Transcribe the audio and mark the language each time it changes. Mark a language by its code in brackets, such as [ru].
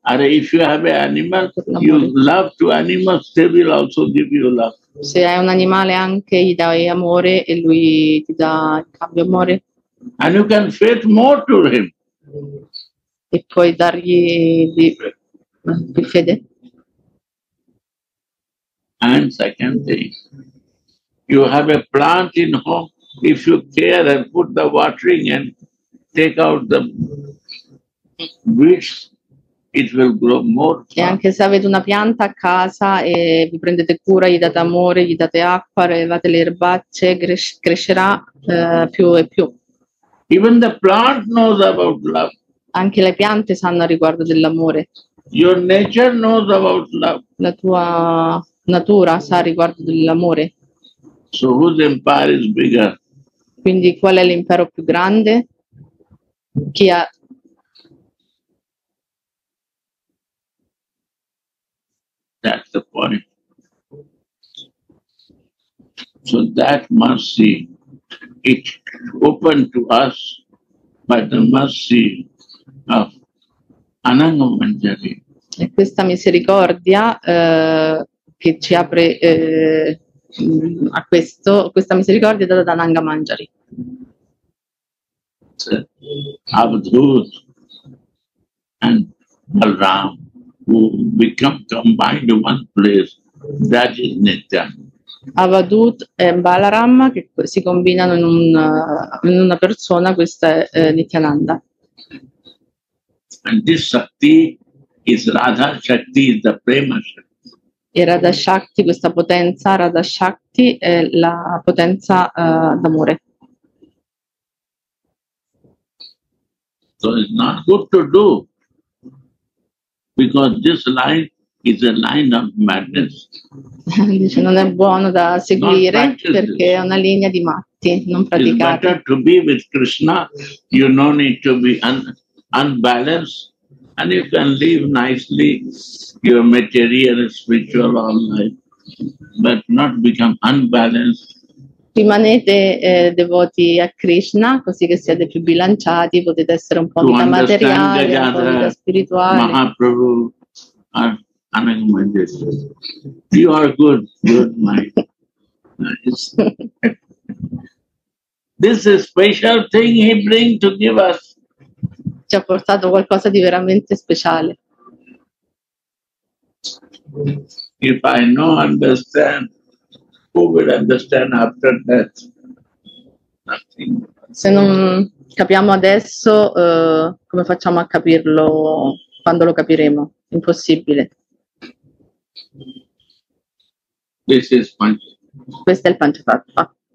[en] Are if you have an animal, you love to animals, they will also give you love. [it] Se hai un animale anche gli dai amore e lui ti dà il cambio amore. [en] And you can feed more to him. [it] E puoi dargli di fede. [en] And second thing, you have a plant in home. If you care and put the watering and take out the weeds, it will grow more. [it] E anche se avete una pianta a casa e vi prendete cura, gli date amore, gli date acqua, levate le erbacce, crescerà più e più. [en] Even the plant knows about love. [it] Anche le piante sanno a riguardo dell'amore. [en] Your nature knows about love. [it] La tua natura sa a riguardo dell'amore. [en] So whose empire is bigger? [it] Quindi qual è l'impero più grande? Chi ha? [en] That's the point. So that mercy, it opened to us by the mercy of Ananga Manjari. [it] E questa misericordia che ci apre a questo, questa misericordia è data da Ananga Manjari. [en] Avadhut and Balram who become combined in one place, that is Nitya. [it] Avadhut e Balaram che si combinano in una persona, questa è Nityananda. [en] And this Shakti is Radha Shakti, is the Prema Shakti. [it] E Radha Shakti, questa potenza, Radha Shakti è la potenza d'amore. [en] So it's not good to do, because this line is a line of madness. [it] Dice, non è buono da seguire perché è una linea di matti, non praticare. [en] It's better to be with Krishna, you no need to be unbalanced. And you can live nicely your material and spiritual all life, but not become unbalanced. [it] Rimanete devoti a Krishna, così che siete più bilanciati, potete essere un po' di materiale, un po' di spirituale. [en] Mahaprabhu and Ananga Manjari. You are good, good mind. nice. This is a special thing he bring to give us. [it] Ci ha portato qualcosa di veramente speciale. [en] If I know understand, who will understand after that? Nothing. [it] Se non capiamo adesso, come facciamo a capirlo quando lo capiremo? Impossibile. [en] This is Panchatattva. [it] Questo è il Panchatattva.